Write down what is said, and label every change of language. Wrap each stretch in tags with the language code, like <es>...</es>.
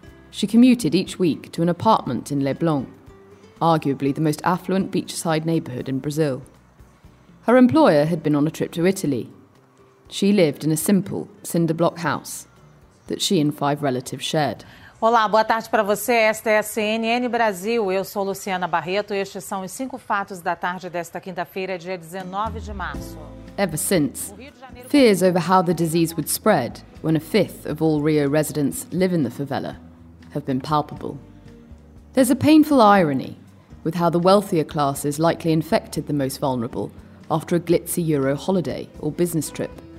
<en>She commuted each week to an apartment in Leblon, arguably the most affluent beachside neighbourhood in Brazil. Her employer had been on a trip to Italy. She lived in a simple cinder block house that she and five relatives shared.</en> <pt>Olá, boa tarde para você. Esta é a CNN Brasil. Eu sou Luciana Barreto e estes são os cinco fatos da tarde desta quinta-feira, dia 19 de março.</pt> <en>Ever since, fears over how the disease would spread when a fifth of all Rio residents live in the favela have been palpable. There's a painful irony with how the wealthier classes likely infected the most vulnerable after a glitzy Euro holiday or business trip.</en>